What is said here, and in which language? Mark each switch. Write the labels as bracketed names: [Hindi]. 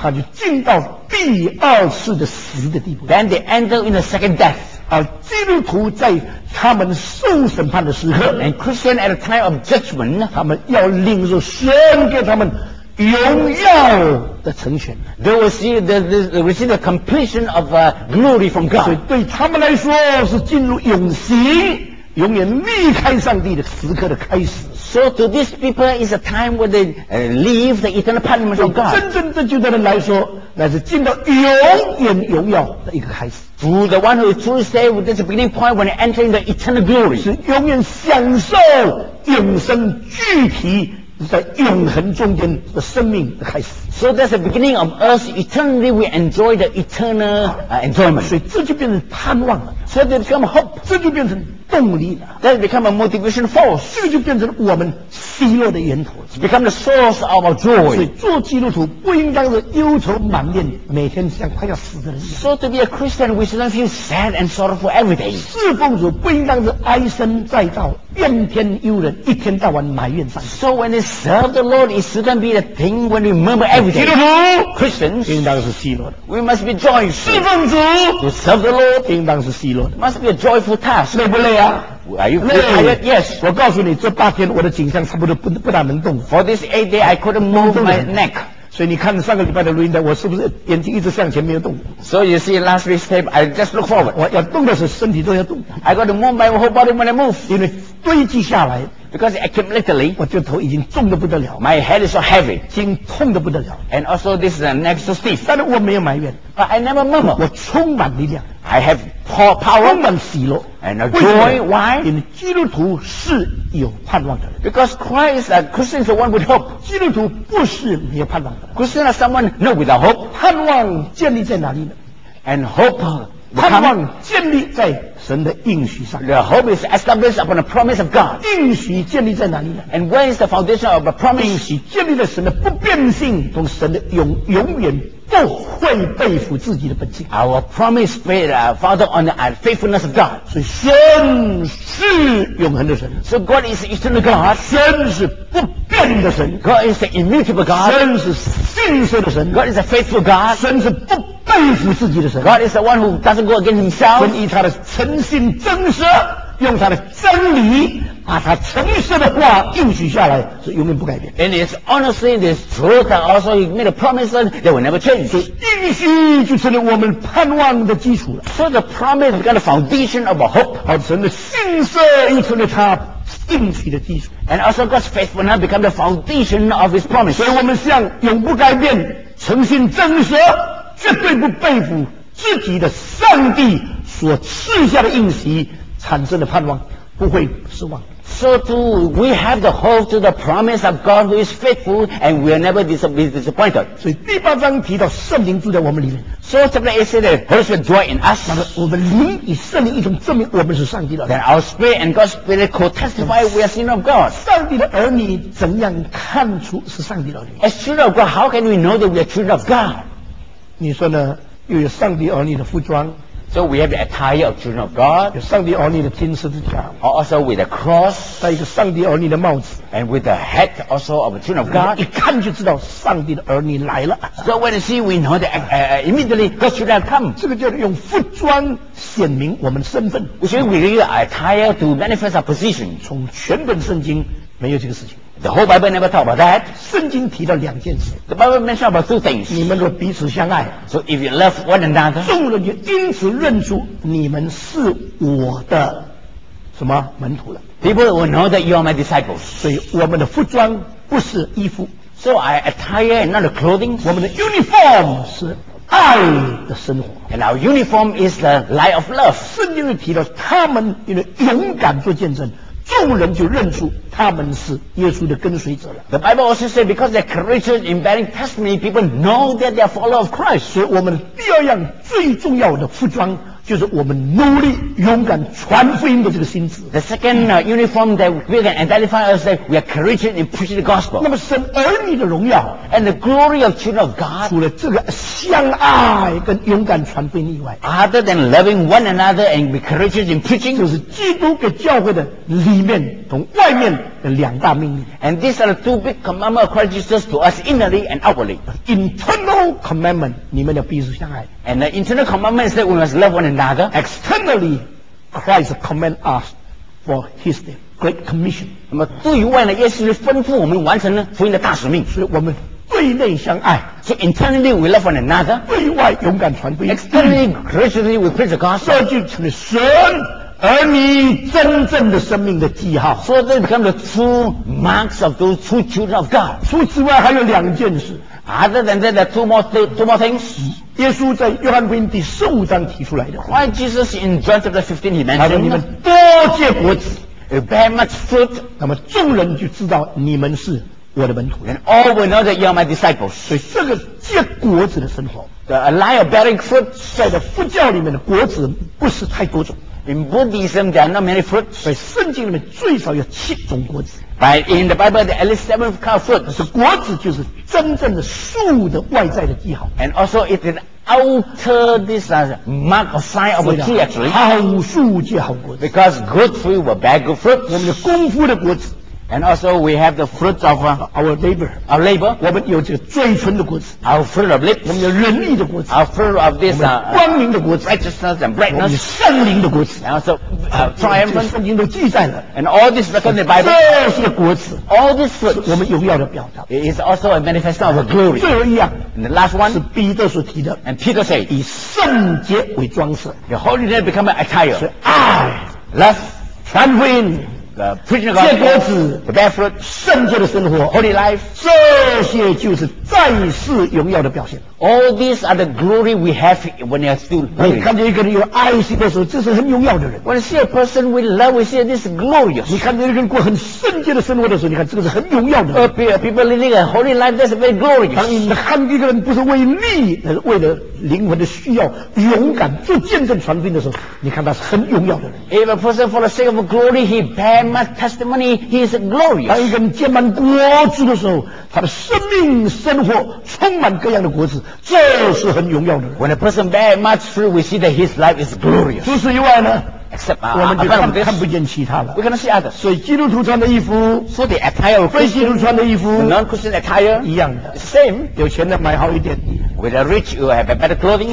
[Chinese] 他就进到第二次的死的地步。 [English] Then they enter in the second death. [Chinese] 而基督徒在他们受审判的时刻 [English] and Christian at a time of judgment [Chinese] 他们要领受神给他们荣耀的成全 [English] they will see the receive the completion of glory from God [Chinese] 所以对他们来说是进入永席永远离开上帝的时刻的开始 [English] so to these people is a time where they leave the eternal punishment of God [Chinese] 真正正确的人来说那是进到永远荣耀的一个开始 [English] To the one who is truly saved, that's the beginning point when entering the eternal glory. [Chinese] 是永远享受永生具体在永恒中间的生命的开始。 [English] So that's the beginning of us eternally. We enjoy the eternal enjoyment. [Chinese] 所以这就变成盼望了。 [English] So they become hope. [Chinese] 这就变成动力了。 [English] That become a motivation force. [Chinese] 这就变成我们喜乐的源头。 [English] It become the source of our joy. [Chinese] 所以做基督徒不应当是忧愁满面，每天像快要死的人。 [English] So to be a Christian, we shouldn't feel sad and sorrowful every day. [Chinese] 侍奉主不应当是哀声载道，怨天尤人，一天到晚埋怨上帝。 [English] So when we serve the Lord, it shouldn't be the thing when we murmur every day. [Chinese] 基督徒 [English] Christians [Chinese] 应当是喜乐的。 [English] We must be joyful. [Chinese] 侍奉主 [English] to serve the Lord [Chinese] 应当是喜乐。 [English] Must be a joyful task. [Chinese] 累不累啊？ [English] Are you tired? Yes. [Chinese] 我告诉你，这八天我的颈项差不多不大能动。 [English] For this 8 day, I couldn't move my neck. [Chinese] 所以你看上个礼拜的录音带，我是不是眼睛一直向前没有动 [English] ？So you see last week's tape, I just look forward. [Chinese] 我要动的时候，身体都要动。 [English] I got to move my whole body when I move. [Chinese] 因为堆积下来。 [English] Because accumulatedly, [Chinese] 我这头已经重得不得了。 [English] My head is so heavy, [Chinese] 筋痛得不得了。 [English] And also, this is a neck so stiff. [Chinese] 但是我没有埋怨。 [English] But I never murmur. [Chinese] 我充满力量。 [English] I have power. [Chinese] 充满喜乐。 [English] And a joy. Why? [Chinese] 因为基督徒是有盼望的人。 [English] Because Christ, a Christian is the one with hope. [Chinese] 基督徒不是没有盼望的人。 [English] Christian is someone not without hope. [Chinese] 盼望建立在哪里呢 [English] ？And hope. [Chinese] 盼望建立在神的应许上。 [English] The hope is established upon the promise of God. [Chinese] 应许建立在哪里呢 [English] ？And where is the foundation of the promise? [Chinese] 应许建立在神的不变性，同神的永远不会背负自己的本性。 [English] Our promise based founded on the faithfulness of God. [Chinese] 所以神是永恒的神。 [English] So God is eternal God. [Chinese] 神是不变的神。 [English] God is the immutable God. [Chinese] 神是信实的神。 [English] God is a faithful God. [Chinese] 神是不背负自己的神。 [English] God is the one who doesn't go against himself. [Chinese] 神以他的诚信真实，用他的真理，把他诚实的话应许下来，是永远不改变。 [English] And it's honestly this truth that also he made a promise that will never change. [Chinese] 所以应许就成了我们盼望的基础了。 [English] So the promise became the foundation of a hope. [Chinese] 而神的信实又成了他应许的基础。 [English] And also God's faithfulness became the foundation of his promise. [Chinese] 所以我们向永不改变、诚信真实。绝对不背负自己的上帝所赐下的应许产生的盼望不会失望 [English] So do we have the hope to the promise of God who is faithful and will never be disappointed [Chinese] 所以第八章提到圣灵住在我们里面 [English] So chapter 8 says that Holy Spirit dwells in us [Chinese] 那么我们灵与圣灵一同证明我们是上帝的 [English] Then our spirit and God's spirit could testify we are sinner of God [Chinese] 上帝的儿女怎样看出是上帝的儿女 [English] As children of God how can we know that we are children of God [Chinese] 你说呢又有上帝儿女的服装 [English] So we have the attire of children of God [Chinese] 有上帝儿女的金十字架 [English] Also with a cross [Chinese] 戴一个上帝儿女的帽子 [English] And with the hat also of a children of God [Chinese] 一看就知道上帝的儿女来了 [English] So when you see we know that immediately God should have come [Chinese] 这个叫用服装显明我们身份 [English] We should wear the attire to manifest our position [Chinese] 从全本圣经没有这个事情 [English] The whole Bible never talk about that. [Chinese] 圣经提到两件事。 [English] The Bible mentions about two things. [Chinese] 你们若彼此相爱。 [English] So if you love one another. [Chinese] 众人就因此认出你们是我的什么门徒了。 [English] People will know that you are my disciples. [Chinese] 所以我们的服装不是衣服。 [English] So our attire and not the clothing. [Chinese] 我们的 uniform 是爱的生活。 [English] And our uniform is the light of love. [Chinese] 圣经提到他们因为勇敢做见证。众人就认出他们是耶稣的跟随者了。 [English] The Bible also says because they're courageous in bearing testimony, people know that they are followers of Christ. [Chinese] 所以我们第二样最重要的服装就是我们努力勇敢传福音的这个心智。 [English] The second uniform that we can identify as that we are courageous in preaching the gospel. [Chinese] 那么神儿女的荣耀 [English] and the glory of children of God. [Chinese] 除了这个相爱跟勇敢传福音以外 [English] ，other than loving one another and be courageous in preaching， [Chinese] 就是基督给教会的里面同外面的两大命令。 [English] And these are the two big commandments of Christ Jesus to us innerly and outwardly. Internal commandment， [Chinese] 你们要彼此相爱。 [English] And the internal commandment is that we must love one another. Externally, Christ commands us for His great commission. [Chinese] 那么对于外呢，耶稣吩咐我们完成了福音的大使命。所以我们对内相爱。 [English] So internally we love one another. [Chinese] 对外勇敢传福音。 [English] Externally, graciously we preach the gospel. [Chinese] 这就成了神儿女真正的生命的记号。 [English] So this becomes the true marks of those true children of God. [Chinese] 除此之外还有两件事。 [English] Other than that, there are two more things. [Chinese] 耶稣在约翰福音第十五章提出来的。 [English] Why Jesus in John chapter 15 he mentioned? [Chinese] 他说你们多结果子 [English] ，bear much fruit. [Chinese] 那么众人就知道你们是我的门徒。 [English] And all will know that you are my disciples. [Chinese] 所以这个结果子的生活 [English] ，the life of bearing fruit， [Chinese] 在的佛教里面的果子不是太多种。 [English] In Buddhism, there are not many fruits. [Chinese] 所以圣经里面最少有七种果子。 [English] But in the Bible, there are at least seven kinds of fruit. [Chinese] 是果子就是真正的树的外在的记号。 [English] And also, it is outer this mark or sign of a tree actually. [Chinese] 好树结好果子。 [English] Because good fruit will bear good fruit. [Chinese] 我们有功夫的果子。 [English] And also, we have the fruits of our labor. [Chinese] 我们有这个嘴唇的果子。 [English] Our fruit of lips. [Chinese] 我们有仁义的果子。 [English] Our fruit of this [Chinese] 光明的果子。 [English] Righteousness and brightness. [Chinese] 我们圣灵的果子。 [English] And also, triumphant. [Chinese] 圣经都记载了。 [English] And all this written in the Bible. [Chinese] 这是果子。 [English] All this fruit. [Chinese] 我们荣耀的表达。 [English] It is also a manifestation of a glory. [Chinese] 最后一样。 [English] And the last one. [Chinese] 是彼得所提的。 [English] And Peter said. [Chinese] 以圣洁为装饰。 [English] The holiness become an attire. [Chinese] 是爱。 [English] Love. [Chinese] 传福音。 [English] The preaching of God, the bear fruit, [Chinese] 圣洁的生活 [English] holy life, [Chinese] 这些就是在世荣耀的表现。 [English] All these are the glory we have when we are still living. [Chinese] 你看见一个人有爱心的时候，这是很荣耀的人。 [English] When you see a person with love, we see this glorious. [Chinese] 你看见一个人过很圣洁的生活的时候，你看这个是很荣耀的人。 [English] People living a holy life, that's very glorious. [Chinese] 当你看见一个人不是为利，而是为了灵魂的需要，勇敢做见证传福音的时候，你看他是很荣耀的人。 [English] If a person for the sake of glory, he bear much testimony, he is glorious. [Chinese] 当一个人结满果子的时候，他的生命生活充满各样的果子。这是很荣耀的人。 [English] When a person bears much fruit, we see that his life is glorious. [Chinese] 除此以外呢 [English] ？Except [Chinese] 我们就看不见其他了。 [English] We cannot see others. [Chinese] 所以基督徒穿的衣服 [English] ，so the attire of [Chinese] 非基督徒穿的衣服 [English] ，non-Christian attire [Chinese] 一样的 [English] ，same. [Chinese] 有钱的买好一点 [English] ，with a rich you have a better clothing.